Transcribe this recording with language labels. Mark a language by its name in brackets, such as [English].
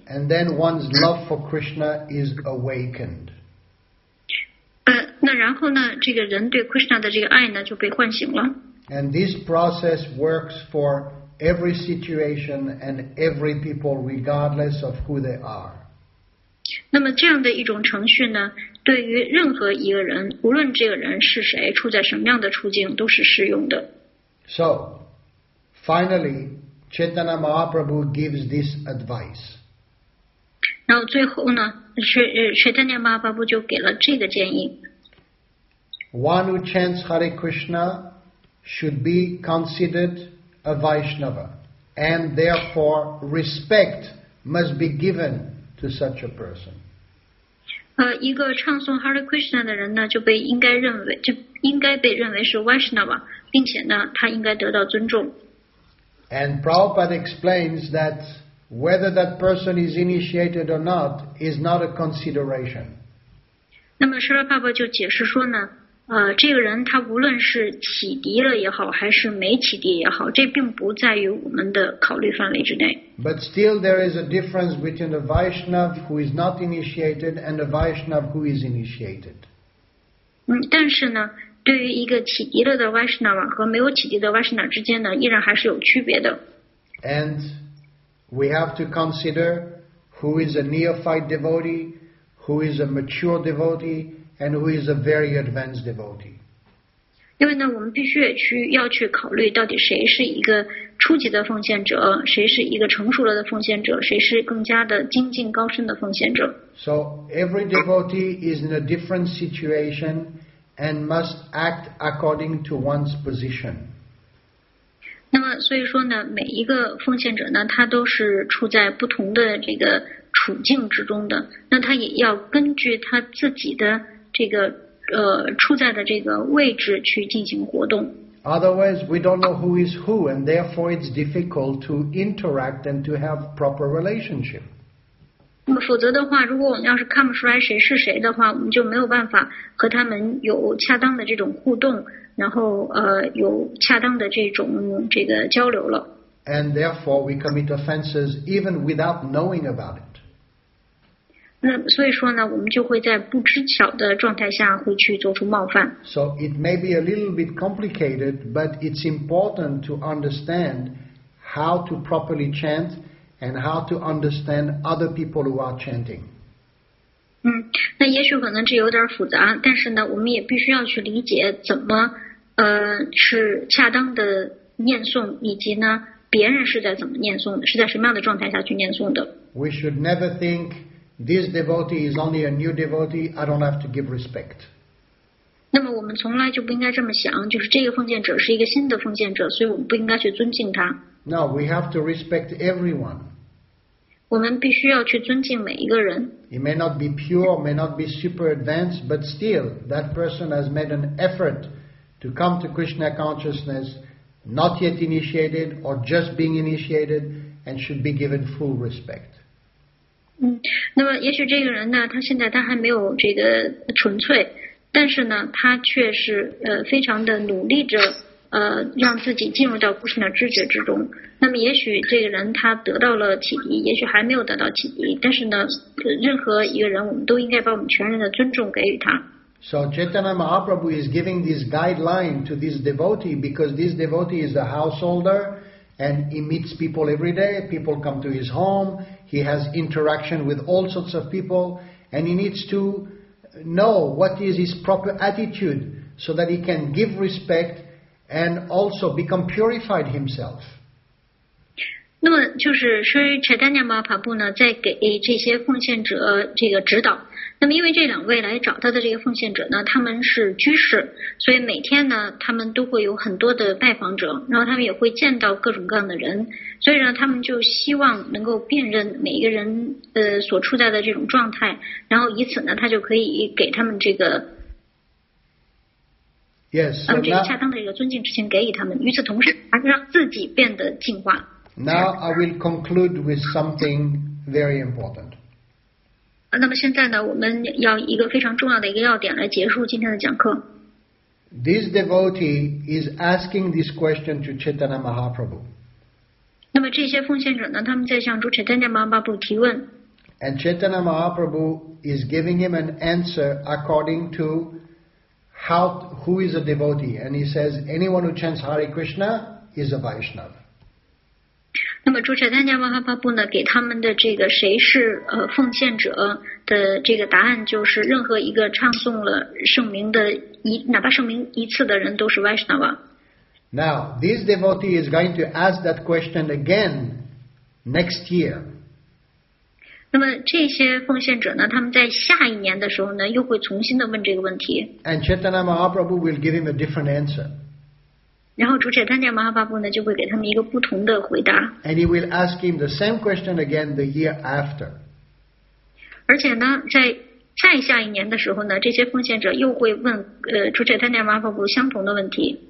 [English] And then one's love for Krishna is awakened. [Chinese] 那然后呢，这个人对 Krishna 的这个爱呢，就被唤醒了。 [English] And this process works for every situation and every people, regardless of who they are. [Chinese] 那么这样的一种程序呢，对于任何一个人，无论这个人是谁，处在什么样的处境，都是适用的。 [English] So, finally. Chaitanya Mahaprabhu gives this advice. [Chinese] 然后最后呢 Chaitanya Mahaprabhu 就给了这个建议。 [English] One who chants Hare Krishna should be considered a Vaishnava, and therefore respect must be given to such a person. [Chinese] 一个唱诵 Hare Krishna 的人呢，就应该被认为是 Vaishnava, 并且呢，他应该得到尊重。 [English] And Prabhupada explains that whether that person is initiated or not is not a consideration. [Chinese] 那么舍勒帕帕就解释说呢，这个人他无论是启迪了也好，还是没启迪也好，这并不在于我们的考虑范围之内。 [English] But still there is a difference between a Vaishnav who is not initiated and a Vaishnav who is initiated. [Chinese] 但是呢对于一个启迪了的 Vaishnava 和没有启迪的 Vaishnava 之间呢，依然还是有区别的。 [English] And we have to consider who is a neophyte devotee, who is a mature devotee, and who is a very advanced devotee. [Chinese] 因为呢，我们必须要去考虑到底谁是一个初级的奉献者，谁是一个成熟了的奉献者，谁是更加的精进高深的奉献者。 [English] So every devotee is in a different situation. And must act according to one's position. [Chinese] 那么所以说呢，每一个奉献者呢，他都是处在不同的这个处境之中的。那他也要根据他自己的这个处在的这个位置去进行活动。 [English] Otherwise, we don't know who is who, and therefore it's difficult to interact and to have proper relationship. [Chinese] 那么否则的话，如果我们要是看不出来谁是谁的话，我们就没有办法和他们有恰当的这种互动，然后有恰当的这个交流了。 [English] And therefore we commit offenses even without knowing about it. [Chinese] 那所以说呢，我们就会在不知晓的状态下会去做出冒犯。 [English] So it may be a little bit complicated, but it's important to understand how to properly chant. And how to understand other people who are chanting. [Chinese] 那也许可能这有点复杂，但是呢，我们也必须要去理解怎么是恰当的念诵，以及呢，别人是在怎么念诵的，是在什么样的状态下去念诵的。 [English] We should never think this devotee is only a new devotee. I don't have to give respect. [Chinese] 那么我们从来就不应该这么想，就是这个奉献者是一个新的奉献者，所以我们不应该去尊敬他。 [English] No, we have to respect everyone. [Chinese] 我们必须要去尊敬每一个人。 [English] He may not be pure, may not be super advanced, but still, that person has made an effort to come to Krishna consciousness, not yet initiated or just being initiated, and should be given full respect. [Chinese] 那么也许这个人呢，他现在他还没有这个纯粹，但是呢，他却是非常的努力着。让自己进入到 Krishna 知觉之中。那么也许这个人他得到了启迪，也许还没有得到启迪，但是呢，任何一个人我们都应该把我们全人的尊重给予他。 [English] So Chaitanya Mahaprabhu is giving this guideline to this devotee because this devotee is a householder and he meets people every day. People come to his home. He has interaction with all sorts of people and he needs to know what is his proper attitude so that he can give respectAnd also become purified himself. [Chinese] 那么就是说 Chaitanya Mahaprabhu 呢，在给这些奉献者这个指导。那么因为这两位来找他的这个奉献者呢，他们是居士，所以每天呢，他们都会有很多的拜访者，然后他们也会见到各种各样的人，所以呢，他们就希望能够辨认每一个人所处在的这种状态，然后以此呢，他就可以给他们这个。 [English] Yes, now I will conclude with something very important. [Chinese] 那么现在呢，我们要一个非常重要的一个要点来结束今天的讲课。 [English] This devotee is asking this question to Chaitanya Mahaprabhu. [Chinese] 那那么这些奉献者呢，他们在向主 Chaitanya Mahaprabhu 提问。 [English] And Chaitanya Mahaprabhu is giving him an answer according to how who is a devotee, and he says anyone who chants Hare Krishna is a Vaishnava. [Chinese] 那么主 Chaitanya Mahaprabhu 呢，给他们的这个谁是奉献者的这个答案就是，任何一个唱诵了圣名的哪怕圣名一次的人都是 Vaishnava。 [English] Now, this devotee is going to ask that question again next year. [Chinese] 那么这些奉献者呢，他们在下一年的时候呢，又会重新的问这个问题。 [English] And Chaitanya Mahaprabhu will give him a different answer. [Chinese] 然后主 Chaitanya Mahaprabhu 呢，就会给他们一个不同的回答。 [English] And he will ask him the same question again the year after. [Chinese] 而且呢，在再下一年的时候呢，这些奉献者又会问主 Chaitanya Mahaprabhu 相同的问题。